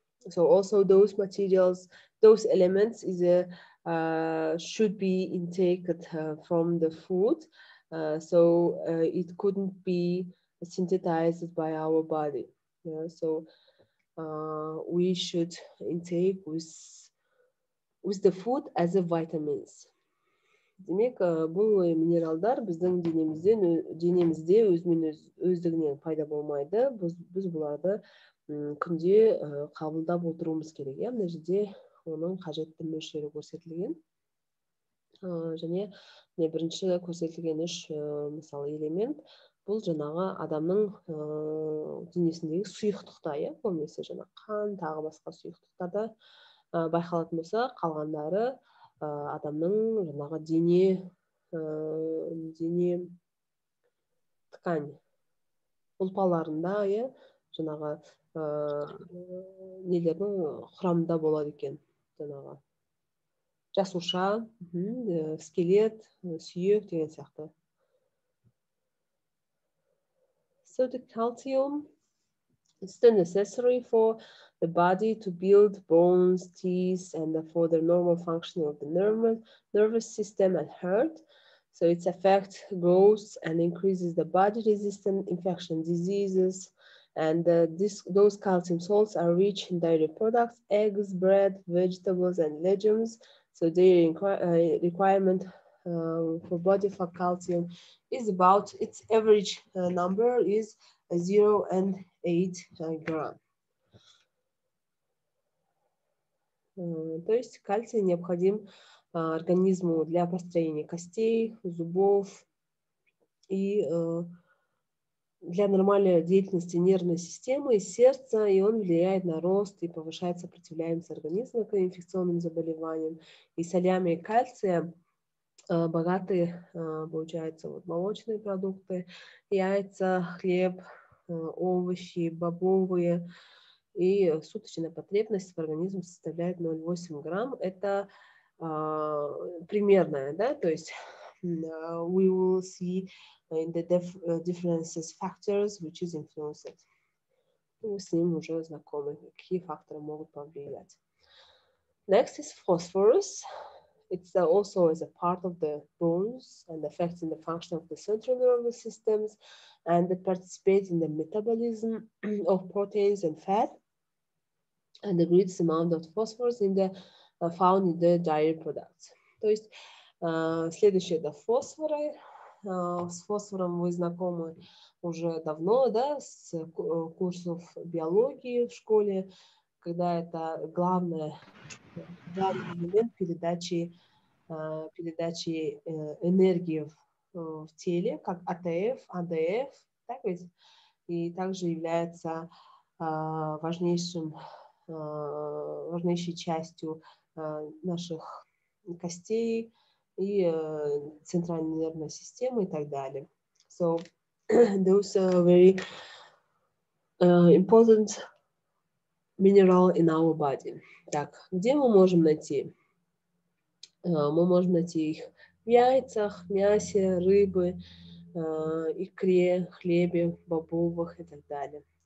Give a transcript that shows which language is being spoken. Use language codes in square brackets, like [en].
[en] So also those materials, those elements is a should be intaked from the food. So it couldn't be synthesized by our body. Yeah? So we should intake with the food as a vitamins. [kk] Демек, бұл минералдар біздің денемізде өздігінен пайда болмайды. Біз бұларды күнде қабылдап отыруымыз керек. Мына жерде оның қажетті мөлшері көрсетілген. Және не бірінші көрсетілген үш мысалы элемент бұл жаңағы адамның денесіндегі сұйықтықта, иә, көбінесе жаңа қан тағы басқа сұйықтықтарда байқалатын болса, қалғандары адамның жаңағы дене ткань ұлпаларында, иә, жаңағы нелердің құрамында болады екен жаңағы жасуша скелет сүйек деген сияқты. [en] So the calcium is the necessary for the body to build bones, teeth, and for the normal functioning of the nervous system and heart. So its effect grows and increases the body resistant infection diseases. And those calcium salts are rich in dairy products, eggs, bread, vegetables, and legumes. So the requirement for body for calcium is about its average number is 0.8 gram. [ru] То есть кальций необходим организму для построения костей, зубов и для нормальной деятельности нервной системы и сердца, и он влияет на рост и повышает сопротивляемость организма к инфекционным заболеваниям. И солями и кальцием богаты, получается, вот молочные продукты, яйца, хлеб, овощи, бобовые. И суточная потребность в организме составляет 0,8 грамм. Это примерная, да, то есть... [en] we will see in the differences factors, which is influenced. [ru] Мы с ним уже знакомы, какие факторы могут повлиять. [en] Next is phosphorus. It's also is a part of the bones and affects in the function of the central nervous systems and participates in the metabolism of proteins and fat. And the greatest amount of phosphorus in the found in the dairy products. [ru] То есть следующее это фосфоры. С фосфором вы знакомы уже давно, да, с курсов биологии в школе, когда это главный элемент передачи энергии в теле, как АТФ, АДФ, так ведь? И также является важнейшей частью наших костей, и центральной нервной системы и так далее. [en] So those are very important mineral in our body. [ru] Так, где мы можем найти? Мы можем найти их в яйцах, мясе, рыбе, икре, хлебе, бобовых и так далее.